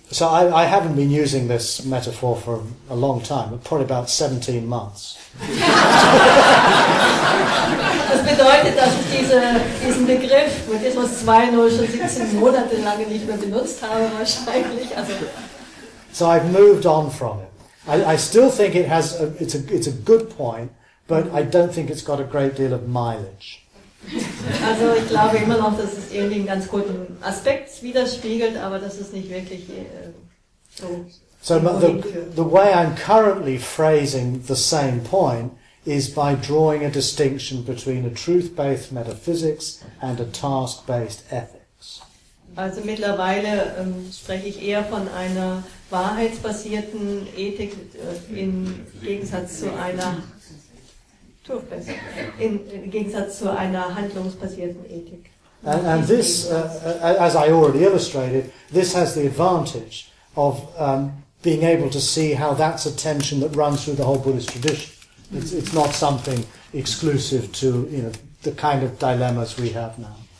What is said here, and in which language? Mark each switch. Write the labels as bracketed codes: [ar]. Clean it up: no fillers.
[en] So I haven't been using this metaphor for a long time, probably about 17 months. [de] Das bedeutet, dass ich diesen Begriff Buddhismus 2.0 schon 17 Monate lange nicht mehr benutzt habe, wahrscheinlich. [en] So I've moved on from it. I still think it has it's a good point, but I don't think it's got a great deal of mileage. [de] Also ich glaube immer noch, dass es irgendwie einen ganz guten Aspekt widerspiegelt, aber das ist nicht wirklich so. [en] So the way I'm currently phrasing the same point is by drawing a distinction between a truth-based metaphysics and a task-based ethics. [de] Also mittlerweile spreche ich eher von einer wahrheitsbasierten Ethik im Gegensatz zu einer handlungsbasierten Ethik. [en] And this, as I already illustrated, this has the advantage of being able to see how that's a tension that runs through the whole Buddhist tradition. It's not something exclusive to, you know, the kind of dilemmas we have now.